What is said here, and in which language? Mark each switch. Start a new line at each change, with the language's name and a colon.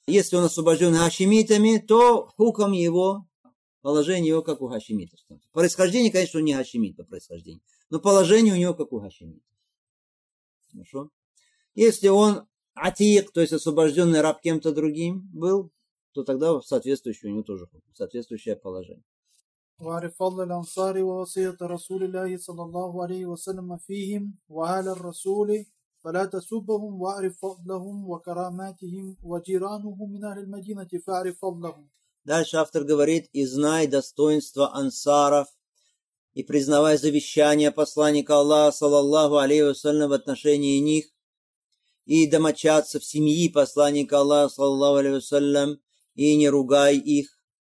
Russian: Если он освобожденный хашимитами, то хуком его, положение его как у хашимитов. Происхождение, конечно, не хашимит по происхождению, но положение у него как у хашимитов. Хорошо? Если он атиек, то есть освобожденный раб кем-то другим был, то тогда соответствующее у него тоже соответствующее положение.
Arabic: وعرف فضل الأنصار ووصية رسول الله صلى الله عليه وسلم فيهم وأهل الرسول فلا تسبهم وأعرف فضلهم وكراماتهم وجيرانهم من أهل المدينة فأعرف فضلهم.
Russian: Дальше автор говорит: и знай достоинство ансаров и признавай завещание посланника Аллаха саллаллаху алейхи вассалям в отношении них и домочадцев семьи посланника Аллаха саллаллаху алейхи вассалям и не ругай их.